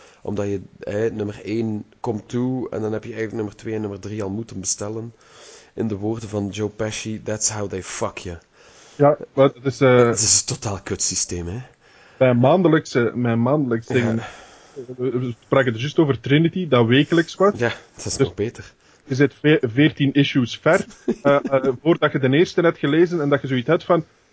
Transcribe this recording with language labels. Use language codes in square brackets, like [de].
[nl] Omdat je nummer 1 komt toe en dan heb je eigenlijk nummer 2 en nummer 3 al moeten bestellen. In de woorden van [en] Joe Pesci, that's how they fuck you. [nl] Ja, maar het is... Het is een totaal kutsysteem, hè. Mijn maandelijkse ja, dingen... We spraken er juist over Trinity, dat wekelijks was. Ja, dat is dus nog beter. Je zit 14 issues ver, voordat je de eerste hebt gelezen en dat je zoiets hebt van...